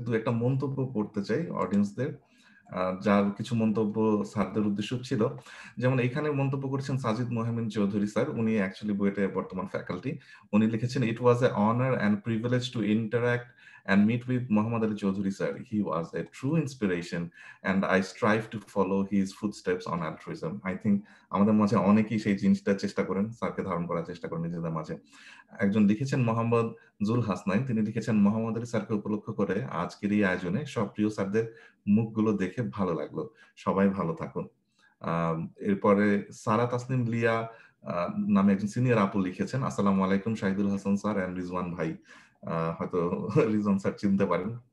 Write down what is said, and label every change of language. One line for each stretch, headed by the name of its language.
Bangla: দু একটা মন্তব্য পড়তে চাই অডিয়েন্সদের, যার কিছু মন্তব্য স্যারদের উদ্দেশ্য ছিল। যেমন এখানে মন্তব্য করেছেন সাজিদ মোহামিন চৌধুরী স্যার, উনি অ্যাকচুয়ালি বুয়েটের বর্তমান ফ্যাকাল্টি। উনি লিখেছেন,
English: It was a honour and privilege to interact and meet with Muhammad Ali Chaudhuri sir. He was a true inspiration and I strive to follow his footsteps on altruism. I think
Bangla: আমাদের মাঝে অনেকেই সেই জিনিসটা চেষ্টা করেন, স্যারকে ধারণ করার চেষ্টা করেন নিজেদের মাঝে। একজন লিখেছেন মোহাম্মদ জুল হাসনাইন, তিনি লিখেছেন, মোহাম্মদ আলী স্যারকে উপলক্ষ করে আজকের এই আয়োজনে সব প্রিয় স্যারদের মুখগুলো দেখে ভালো লাগলো, সবাই ভালো থাকুন। এরপরে সারা তাসনিম লিয়া নামে একজন সিনিয়র আপু লিখেছেন, আসসালামু আলাইকুম শাহিদুল হাসান স্যার অ্যান্ড রিজওয়ান ভাই, হয়তো রিজন স্যার চিনতে পারেন।